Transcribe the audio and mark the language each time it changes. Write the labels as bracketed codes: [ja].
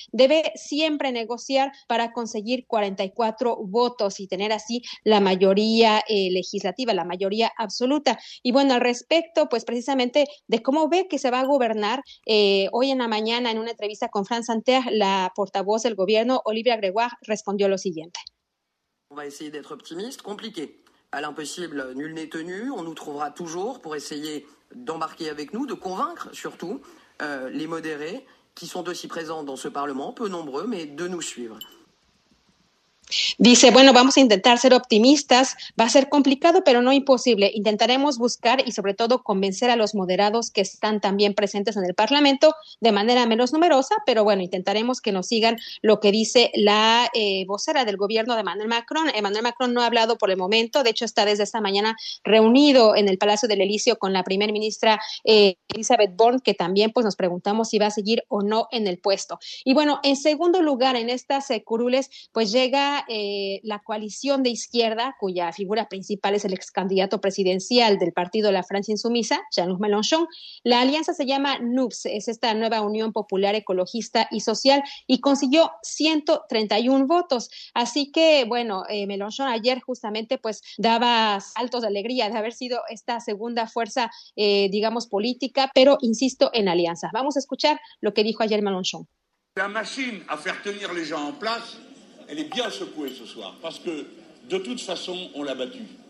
[es] Debe siempre negociar para conseguir 44 votos y tener así la mayoría legislativa, la mayoría absoluta. Y bueno, al respecto, pues precisamente de cómo ve que se va a gobernar, hoy en la mañana en una entrevista con France Inter, la portavoz del gobierno, Olivia Grégoire, respondió lo siguiente. [fr] On va essayer d'être optimiste, compliqué. À l'impossible, nul n'est tenu. On nous trouvera toujours pour essayer d'embarquer avec nous, de convaincre surtout les modérés qui sont aussi présents dans ce Parlement, peu nombreux, mais de nous suivre. [es] Dice, bueno, vamos a intentar ser optimistas, va a ser complicado, pero no imposible. Intentaremos buscar y sobre todo convencer a los moderados que están también presentes en el Parlamento de manera menos numerosa, pero bueno, intentaremos que nos sigan lo que dice la vocera del gobierno de Emmanuel Macron. Emmanuel Macron no ha hablado por el momento, de hecho está desde esta mañana reunido en el Palacio del Elíseo con la primer ministra Elizabeth Borne, que también pues nos preguntamos si va a seguir o no en el puesto. Y bueno, en segundo lugar en estas curules, pues llega la coalición de izquierda, cuya figura principal es el ex candidato presidencial del partido La Francia Insumisa, Jean-Luc Mélenchon. La alianza se llama NUPS, es esta nueva unión popular ecologista y social, y consiguió 131 votos. Así que, bueno, Mélenchon ayer justamente pues daba saltos de alegría de haber sido esta segunda fuerza, digamos, política, pero insisto, en alianza. Vamos a escuchar lo que dijo ayer Mélenchon. [fr] La machine a faire tenir les gens en place. Elle est bien secouée ce soir, parce que de toute façon, on l'a battu.